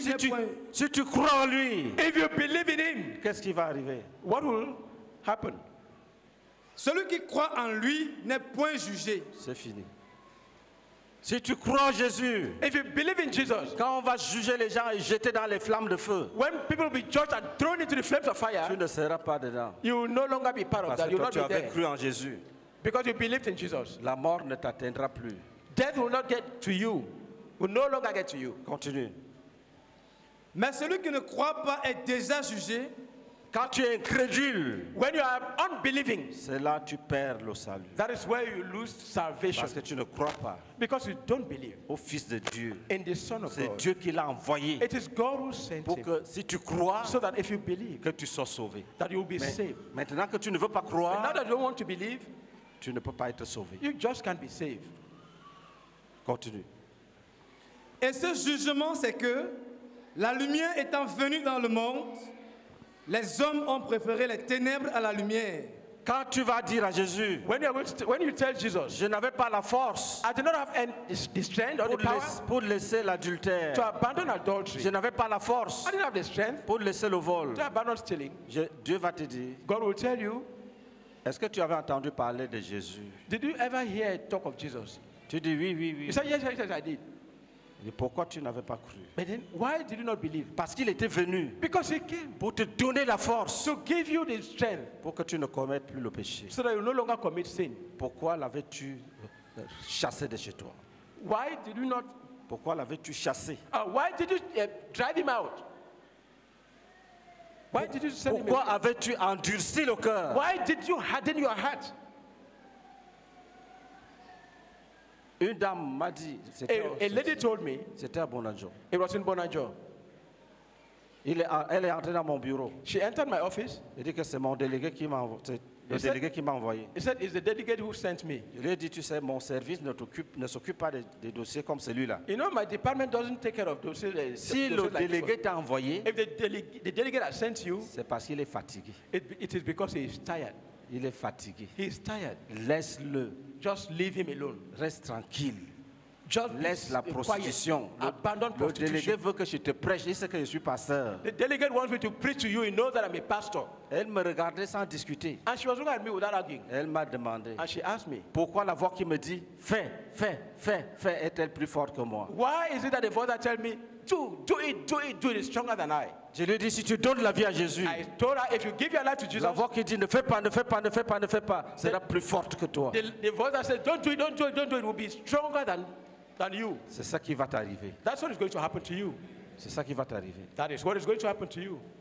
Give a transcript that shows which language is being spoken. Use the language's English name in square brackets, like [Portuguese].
[French] si tu crois en lui, [English] if you believe in him, [French] qu'est-ce qui va arriver? [English] What will happen? [French] Celui qui croit en lui n'est point jugé. C'est fini. Si tu crois en Jésus, [English] if you believe in Jesus, [French] quand on va juger les gens et jeter dans les flammes de feu, [English] when people will be judged and thrown into the flames of fire, [French] tu ne seras pas dedans. [English] You will no longer be part of that. You will not be there. [French] Parce que tu avais cru en Jésus. [English] Because you believed in Jesus. [French] La mort ne t'atteindra plus. [English] Death will not get to you. Will no longer get to you. [French] Continue. Mais celui qui ne croit pas est déjà jugé. Quand tu es incrédule, [English] when you are unbelieving, [French] c'est là tu perds le salut. [English] That is where you lose salvation. [French] Parce que tu ne crois pas. [English] Because you don't believe. [French] Au Fils de Dieu. [English] In the Son of [French] c'est [English] God. [French] Dieu qui l'a envoyé. [English] It is God who sent [French] pour [English] him. [French] Que si tu crois, [English] so that if you believe, [French] que tu sois sauvé. [English] That you will be saved. [French] Maintenant que tu ne veux pas croire, [English] now that you don't want to believe, [French] tu ne peux pas être sauvé. [English] You just can't be saved. [French] Continue. Et ce jugement, c'est que la lumière étant venue dans le monde, les hommes ont préféré les ténèbres à la lumière. Quand tu vas dire à Jésus, [English] when you tell Jesus, [French] je n'avais pas la force, [English] I did not have the strength or the power [French] pour laisser l'adultère, [English] to abandon adultery, [French] je n'avais pas la force, [English] I didn't have the strength [French] pour laisser le vol, [English] to abandon stealing, [French] Dieu va te dire, [English] God will tell you, [French] est-ce que tu avais entendu parler de Jésus? [English] Did you ever hear talk of Jesus? [French] Tu dis oui, oui, oui. [English] You said yes, yes, yes, I did. [French] Mais pourquoi tu n'avais pas cru? [English] But then, why did you not believe? [French] Parce qu'il était venu. [English] Because he came. [French] Pour te donner la force. [English] To give you the strength. [French] Pour que tu ne commettes plus le péché. [English] So that you no longer commit sin. [French] Pourquoi l'avais-tu chassé de chez toi? [English] Why did you not? [French] Pourquoi l'avais-tu chassé? [English] Why did you drive him out? Why did you send him? [French] Pourquoi avais-tu endurci le cœur? [English] Why did you harden your heart? [French] Une dame m'a dit, [English] a lady told me, [French] c'était à Bonanjo. [English] It was in Bonanjo. [French] Elle est entrée dans mon bureau. [English] She entered my office. [French] Elle dit que c'est mon délégué qui m'a envoyé. [English] He said, "It's the delegate who sent me." [French] Je lui ai dit, tu sais, mon service ne s'occupe pas des dossiers comme celui-là. [English] You know, my department doesn't take care of dossiers. [French] Si le délégué t'a envoyé, [English] if the delegate has sent you, [French] c'est parce qu'il est fatigué. [English] It is because he is tired. [French] Il est fatigué. [English] He is tired. [French] Laisse-le. [English] Just leave him alone. [French] Reste tranquille. [English] Just [French] laisse la prostitution. Abandonne prostitution. Le délégué veut que je te prêche. Il sait que je suis pasteur. [English] The delegate wants me to preach to you. He knows that I'm a pastor. [French] Elle me regardait sans discuter. [English] And she was looking at me without arguing. [French] Elle m'a demandé. [English] And she asked me. [French] Pourquoi la voix qui me dit fais, fais, fais, fais est-elle plus forte que moi? [English] Why is it that the voice that tells me do it is stronger than I? [French] Je lui ai dit, si tu donnes la vie à Jésus, [English] I told her, if you give your life to Jesus, [French] la voix qui dit ne fais pas, ne fais pas, ne fais pas, ne fais pas, sera plus forte que toi. [English] The voice that says don't do it, don't do it, don't do it will be stronger than you. [French] C'est ça qui va t'arriver. [English] That's what is going to happen to you. [French] C'est ça qui va t'arriver. [English] That is what is going to happen to you.